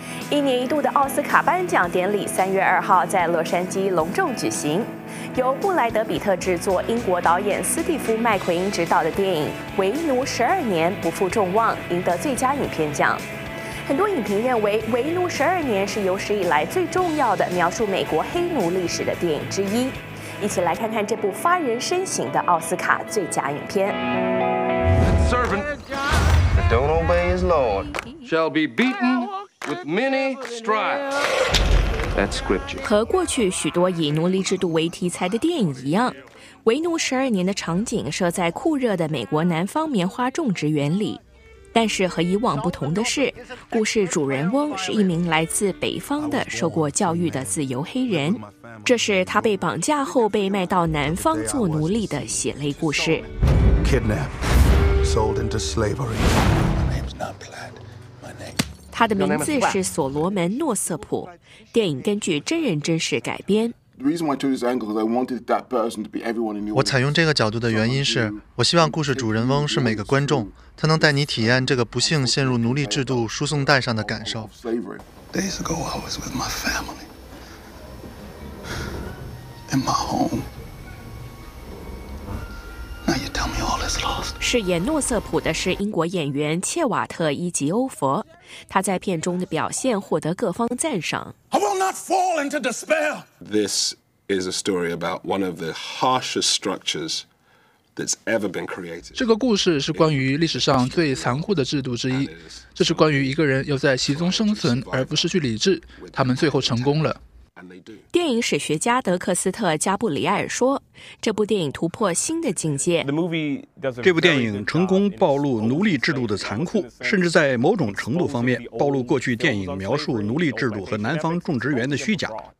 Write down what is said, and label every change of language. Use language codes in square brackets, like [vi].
[zh] 一年一度的奥斯卡颁奖典礼3月2号在洛杉矶隆重举行，由布莱德比特制作、英国导演斯蒂夫麦奎因执导的电影《为奴12年》不负众望，赢得最佳影片奖。很多影评认为，《为奴12年》是有史以来最重要的描述美国黑奴历史的电影之一。一起来看看这部发人深省的奥斯卡最佳影片。 [en] Servant that don't obey his lord shall be beaten with many stripes. That's scripture. [zh] 和过去许多以奴隶制度为题材的电影一样，《为奴12年》的场景设在酷热的美国南方棉花种植园里。但是和以往不同的是，故事主人翁是一名来自北方的受过教育的自由黑人，这是他被绑架后被卖到南方做奴隶的血泪故事。 [en] Kidnap. Sold into slavery. My name's not Platt. My name. [zh] 他的名字是所罗门·诺瑟普。电影根据真人真事改编。 [en] The reason why I chose this angle is I wanted that person to be everyone in the. [zh] 我采用这个角度的原因是，我希望故事主人翁是每个观众，他能带你体验这个不幸陷入奴隶制度输送带上的感受。 [en] Slavery. Days ago, I was with my family. In my home. [zh] 饰演诺瑟普的是英国演员切瓦特·伊吉欧佛，他在片中的表现获得各方赞赏。 [en] I will not fall into despair. This is a story about one of the harshest structures that's ever been created. [zh] 这个故事是关于历史上最残酷的制度之一，这是关于一个人要在其中生存而不失去理智，他们最后成功了。电影史学家德克斯特·加布里埃尔说，这部电影突破新的境界。这部电影成功暴露奴隶制度的残酷，甚至在某种程度方面暴露过去电影描述奴隶制度和南方种植园的虚假。